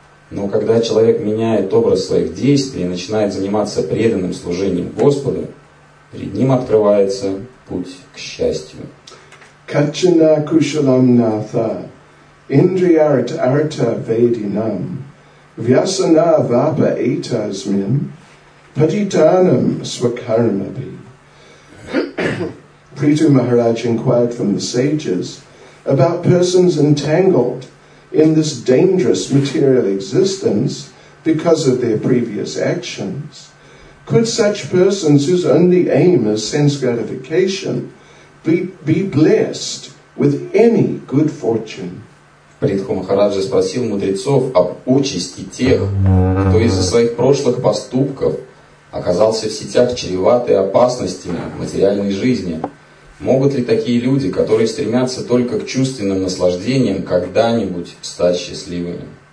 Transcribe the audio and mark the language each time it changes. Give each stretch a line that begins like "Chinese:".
Russian: Но когда человек меняет образ своих действий и начинает заниматься преданным служением Господу, перед ним открывается путь к счастью.
Sanskrit: Качана кушалам натха индриярт арта вейдинам вьясана вапа этасмин патитанам свакармаби.
English: Притху Maharaj inquired from the sages about persons entangled in this dangerous material existence because of their previous actions. Could such persons, whose only aim is sense gratification, be blessed with any good fortune?
Russian: Притху Махараджа спросил мудрецов об участи тех, кто из-за своих прошлых поступков оказался в сетях, чреватой опасностями в материальной жизни. Могут ли такие люди, которые стремятся только к чувственным наслаждениям, когда-нибудь стать счастливыми?